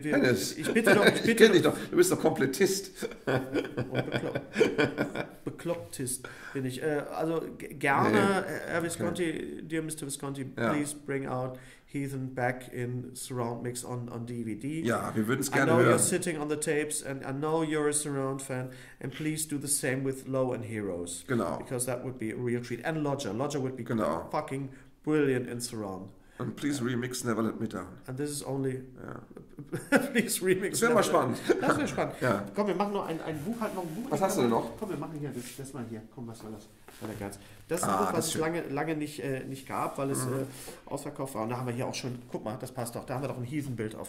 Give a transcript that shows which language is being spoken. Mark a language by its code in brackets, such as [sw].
[de] Dennis, ich kenne dich doch, du bist doch Komplettist. Und Beklopptist bin ich. Also gerne, Herr Visconti, [en] dear Mr. Visconti, please bring out... Heathen back in Surround Mix on DVD. [de] Ja, wir würden es gerne hören. [en] I know you're sitting on the tapes and I know you're a Surround fan and please do the same with Low and Heroes. [de] Genau. [en] Because that would be a real treat. And Lodger. Lodger would be fucking brilliant in Surround. And please remix Never Let Me Down. And this is only... please remix. [de] Das wäre mal spannend. Das wäre spannend. Ja. Komm, wir machen noch ein Buch. Halt noch ein Buch. Was hast du denn noch? Komm, wir machen hier das mal hier. Komm, was soll das? Das ist ein Buch, was es lange nicht gab, weil es ausverkauft war. Und da haben wir hier auch schon, guck mal, das passt doch, da haben wir doch ein Heathen-Bild auf.